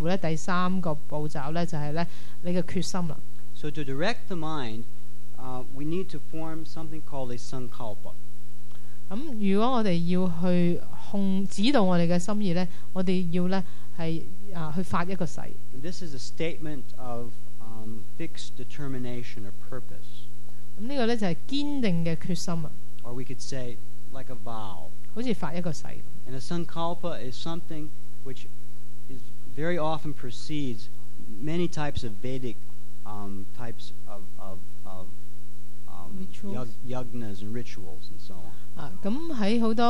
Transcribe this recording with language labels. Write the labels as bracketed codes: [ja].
[zh] 第二個步驟就是聆聽一個mantra就很視乎第三個步驟就是你的決心了。 [en] So to direct the mind, we need to form something called a sankalpa. [zh] 如果我们要去指导我们的心意，我们要去发一个誓。 [en] This is a statement of fixed determination or purpose. [zh] 这个就是坚定的决心。 [en] Or we could say like a vow. [zh] 好像发一个誓。 [en] And a sankalpa is something which is very often precedes many types of Vedic types of yajnas and rituals and so on.